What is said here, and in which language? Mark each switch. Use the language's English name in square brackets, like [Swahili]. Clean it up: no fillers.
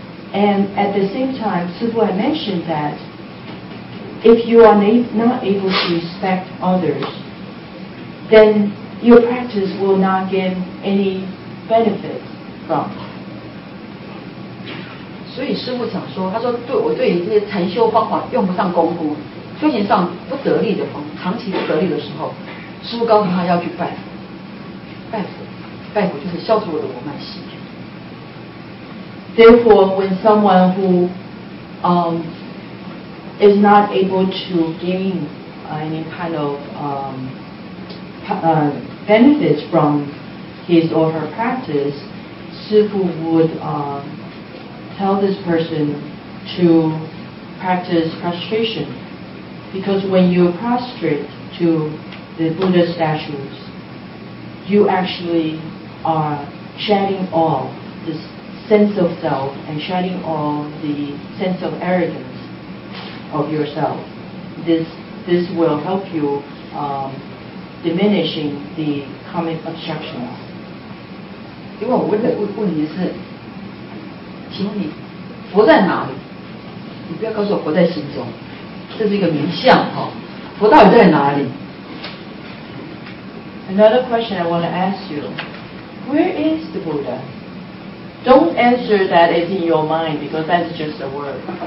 [English] And at the same time, Sifu had mentioned that if you are not able to respect others, then your practice will not give any benefit. [Chinese] 所以师父讲说，他说对我对于这些禅修方法用不上功夫，修行上不得力的方，长期不得力的时候，师父告诉他要去拜佛，拜佛，拜佛就是消除我的我慢心。 [English] Therefore, when someone who is not able to gain any kind of benefits from his or her practice. Sifu would tell this person to practice prostration, because when you prostrate to the Buddha statues, you actually are shedding off this sense of self and shedding off the sense of arrogance of yourself. This will help you diminishing the karmic obstructions. [Chinese] 因为我问的问题是，请问你佛在哪里？你不要告诉我佛在心中，这是一个名相哈、哦。佛到底在哪里 [English] ？Another question I want to ask you: Where is the Buddha? Don't answer that it's in your mind because that's just a word.